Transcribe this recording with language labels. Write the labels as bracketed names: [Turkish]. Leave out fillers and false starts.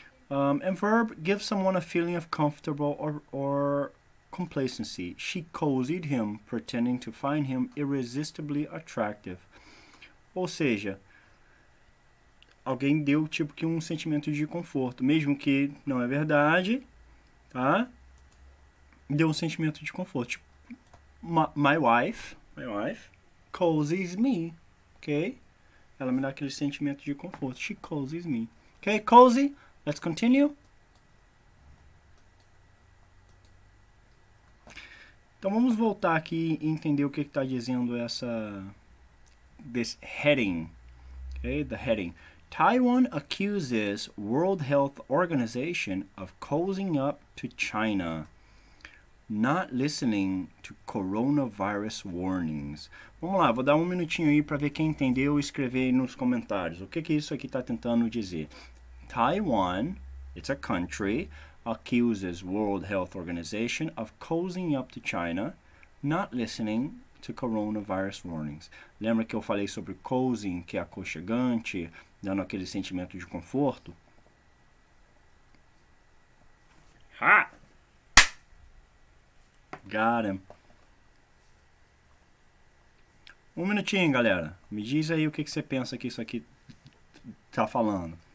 [English] And verb, give someone a feeling of comfortable or complacency. She cozied him, pretending to find him irresistibly attractive. [Portuguese] Ou seja, alguém deu tipo que um sentimento de conforto, mesmo que não é verdade, tá? Deu um sentimento de conforto, tipo, [English] My wife cozies me, [Portuguese] okay? Ela me dá aquele sentimento de conforto. [English] She cozies me. Okay, cozy, let's continue. [Portuguese] Então vamos voltar aqui e entender o que está dizendo essa... [English] This heading, okay? The heading. Taiwan accuses World Health Organization of cozying up to China. Not listening to coronavirus warnings. [Portuguese] Vamos lá, vou dar um minutinho aí para ver quem entendeu e escrever nos comentários. O que que isso aqui está tentando dizer? [English] Taiwan, it's a country, accuses World Health Organization of cozying up to China, not listening to coronavirus warnings. [Portuguese] Lembra que eu falei sobre cozying, que é aconchegante, dando aquele sentimento de conforto? Ha! [English] Got him. [Portuguese] Um minutinho, galera. Me diz aí o que você pensa que isso aqui tá falando.